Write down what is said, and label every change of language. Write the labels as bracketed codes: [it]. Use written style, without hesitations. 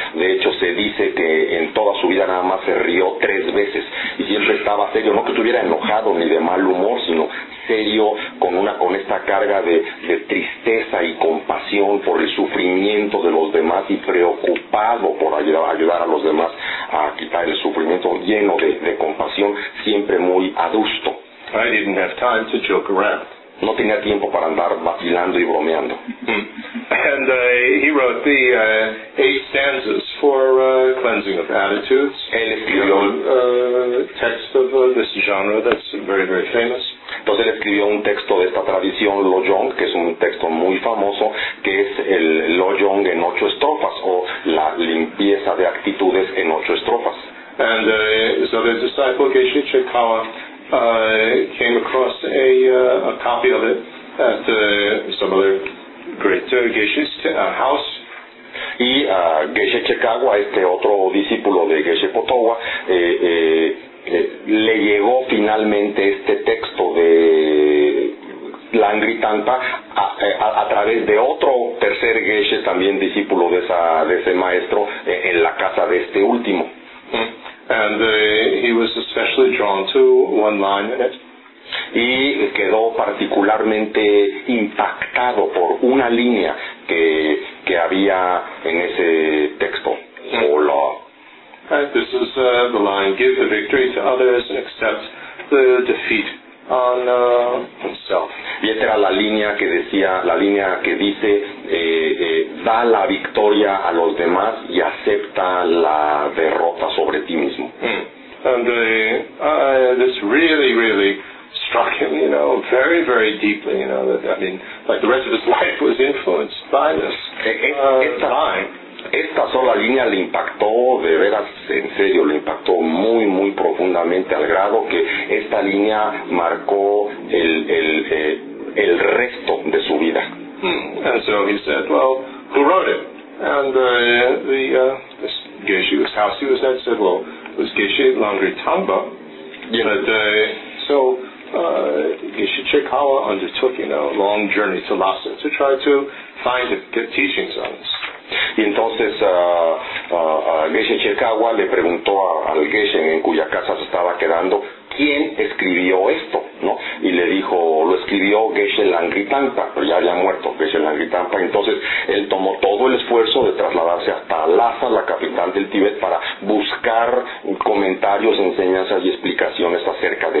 [es] De hecho, se dice que en toda su vida nada más se rió tres veces y siempre estaba serio, no que estuviera enojado ni de mal humor, sino serio, con esta carga de tristeza y compasión por el sufrimiento de los demás y preocupado por ayudar a los demás a quitar el sufrimiento, lleno de compasión, siempre muy adusto. [en] I didn't have time to joke around. [es] No tenía tiempo para andar vacilando y bromeando. [en] And he wrote the eight stanzas for cleansing of attitudes. [es] Él escribió un [en] text of this genre that's very, very famous. [es] Entonces él escribió un texto de esta tradición, Lojong, que es un texto muy famoso, que es el Lojong en ocho estrofas, o la limpieza de actitudes en ocho estrofas. [en] And so the disciple Geshe Chikawa came across a copy of it at some other great Geshe's house. [es] Y Geshe Chikawa, este otro discípulo de Geshe Potowa, le llegó finalmente este texto de Langritampa a través de otro tercer Geshe, también discípulo de ese maestro, en la casa de este último. [en] And he was especially drawn to one line in it. [es] Y quedó particularmente impactado por una línea que había en ese texto. Hola. [en] This is the line: give the victory to others and accept the defeat on oneself. [es] Y esta era la línea que dice da la victoria a los demás y acepta la derrota sobre ti mismo. [en] And this really, really struck him, you know, very, very deeply, you know, that, I mean, like the rest of his life was influenced by this line. [es] Esta sola línea le impactó, de veras, en serio, le impactó muy, muy profundamente, al grado que esta línea marcó el resto de su vida. [en] And so he said, well, who wrote it? And this Geshe, whose house he was at, said, well, it was Geshe Langritamba. Yeah. But, Geshe Chikawa undertook, you know, a long journey to Lhasa to try to find it, get teachings on this. [es] Y entonces Geshe Chikawa le preguntó al Geshe en cuya casa se estaba quedando, ¿quién escribió esto? ¿No? Y le dijo, lo escribió Geshe Langritampa, pero ya había muerto Geshe Langritampa. Entonces él tomó todo el esfuerzo de trasladarse hasta Lhasa, la capital del Tíbet, para buscar comentarios, enseñanzas y explicaciones acerca de